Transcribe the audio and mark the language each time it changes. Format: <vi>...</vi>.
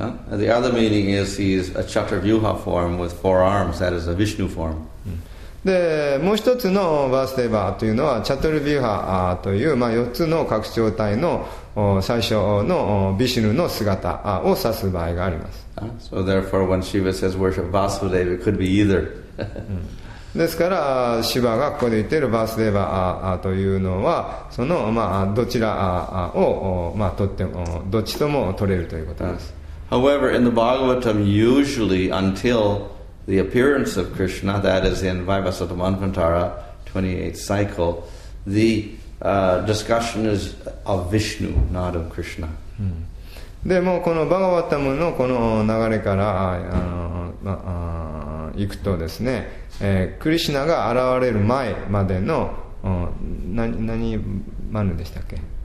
<en>The other meaning is he is a Chaturvyuha form with four arms, that is a Vishnu form.</en> <ja>でもう一つのバースデバというのはチャトルビューハという、まあ、4つの拡張体の最初のビシュヌの姿を指す場合があります。</ja> <en>So therefore when Shiva says worship Vasudeva it could be either.</en> <ja>ですからシヴァがここで言っているバースデーバーというのはその、まあ、どちらを、まあ、取ってもどっちとも取れるということです。</ja> <en>However in the Bhagavatam usually until the appearance of Krishna, that is in Vaivasvata Manvantara 28th cycle, the discussion is of Vishnu, not of Krishna.</en> <ja>でもこのバガヴァタムのこの流れから行くとですね、クリシナが現れる前までの何マヌでしたっけ？</ja>